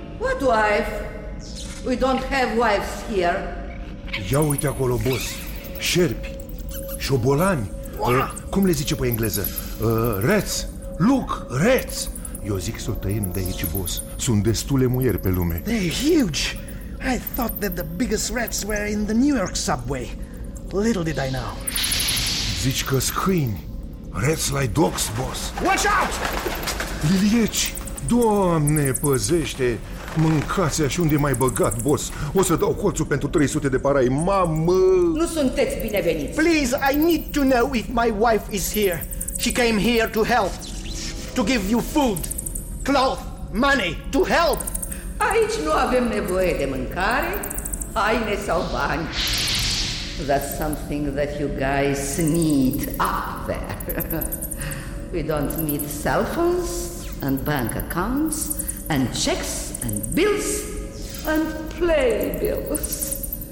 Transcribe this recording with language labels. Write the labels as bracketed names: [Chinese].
[English] What wife? We don't have wives here. [Romanian] Ia uite acolo, boss. Șerpi, șobolani, cum le zice pe engleză? Rats. [English] Look, rats. [Romanian] Eu zic să o tăiem de aici, boss. Sunt destule muieri pe lume. [English] They're huge. I thought that the biggest rats were in the New York subway. Little did I know. [Romanian] Zici că scâini. [English] Rats like dogs, boss. Watch out! [Romanian] Lilieci, Doamne, păzește! Mâncați așa, unde mai băgat, boss? O să dau colțul pentru 300 de parai, mamă! Nu sunteți bineveniți! [English] Please, I need to know if my wife is here. She came here to help. To give you food, cloth, money, to help! [Romanian] Aici nu avem nevoie de mâncare, haine sau bani. [English] That's something that you guys need up there. We don't need cell phones and bank accounts and checks and bills and playbills.